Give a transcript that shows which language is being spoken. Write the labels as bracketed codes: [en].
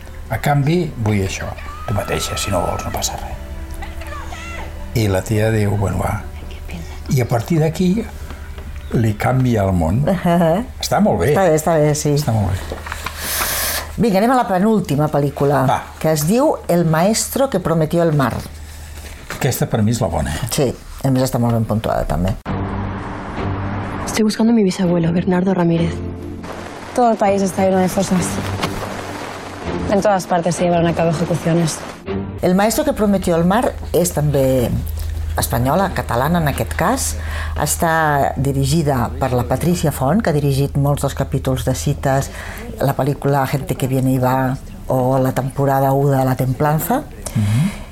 [ca] A canvi, vull això. Tu mateixa, si no vols, no passa res. I la tia diu, bueno, va. I a partir d'aquí li canvia el món. Està molt bé. Està bé, sí. Està molt bé. Vinga, anem a la penúltima pel·lícula. Va. Que es diu El maestro que prometió el mar. Aquesta per mi és la bona. Sí, a més està molt ben puntuada, també. [es] Estoy buscando a mi bisabuelo, Bernardo Ramírez. Todo el país está lleno de fosas. En todas partes se llevaron a cabo ejecuciones. [ca] El maestro que prometió el mar és també espanyola, catalana en aquest cas. Està dirigida per la Patricia Font, que ha dirigit molts dels capítols de Cites, la pel·lícula Gente que viene y va, o la temporada 1 de La templanza. Uh-huh.